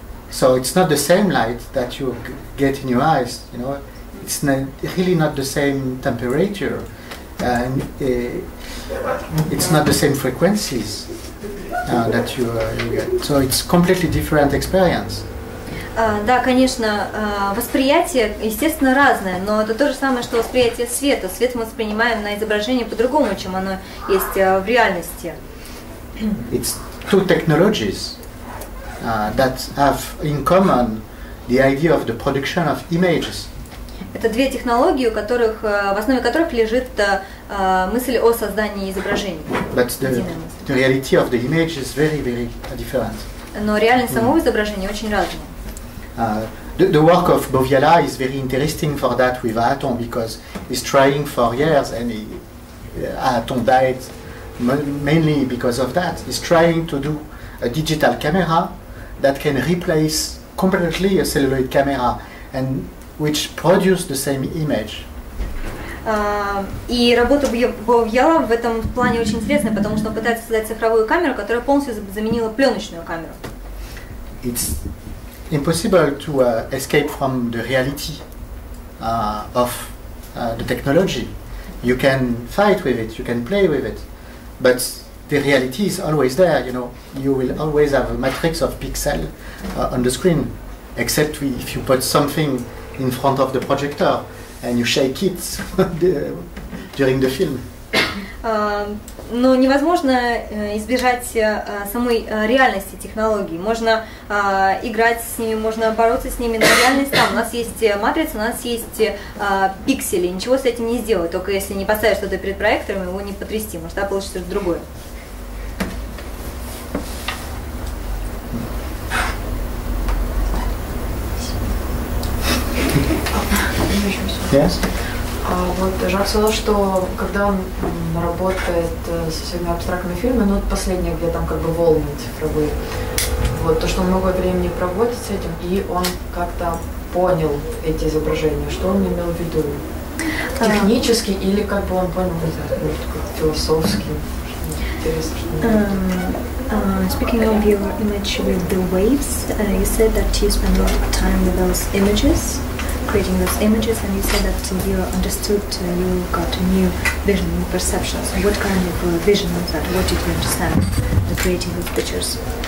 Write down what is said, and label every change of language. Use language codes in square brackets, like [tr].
[en] So it's not the same light that you get in your eyes. You know, it's really not the same temperature, and it's not the same frequencies that you get. So it's completely different experience. [ru] Да, конечно, восприятие, естественно, разное, но это то же самое, что восприятие света. Свет мы воспринимаем на изображении по-другому, чем оно есть в реальности. [en] It's two technologies that have in common the idea of the production of images. [ru] Это две технологии, в основе которых лежит мысль о создании изображений. [en] But the reality of the image is very, very different. [ru] Но реальность самого изображения очень разная. [en] The work of Boviala is very interesting for that with Aaton, because he's trying for years, and Aaton died mainly because of that. He's trying to do a digital camera that can replace completely a celluloid camera and which produce the same image. [ru] И работа Бовьяла в этом плане очень интересная, потому что он пытается создать цифровую камеру, которая полностью заменила пленочную камеру. [en] It's impossible to escape from the reality of the technology. You can fight with it, you can play with it, but the reality is always there. You know, you will always have a matrix of pixel on the screen, except if you put something in front of the projector and you shake it during the film. [ru] Но невозможно избежать самой реальности технологий. Можно играть с ними, можно бороться с ними, но реальность там. У нас есть матрица, у нас есть пиксели. Ничего с этим не сделать. Только если не поставить что-то перед проектором, его не потрясти. Может, да, получится что-то другое. [en] Yes? [ru] Вот Жак сказал, что когда он работает со всеми абстрактными фильмами, ну вот последние, где там как бы волны цифровые, вот то, что он много времени проводит с этим, и он как-то понял эти изображения, что он имел в виду? Технически или как бы он понял, может, как философски? Интересно, что он [en] Speaking of your image with the waves, you said that you spend a lot of time with those images, creating those images, and you said that you understood, you got a new vision, new perception. So what kind of vision was that? What did you understand, the creating of pictures?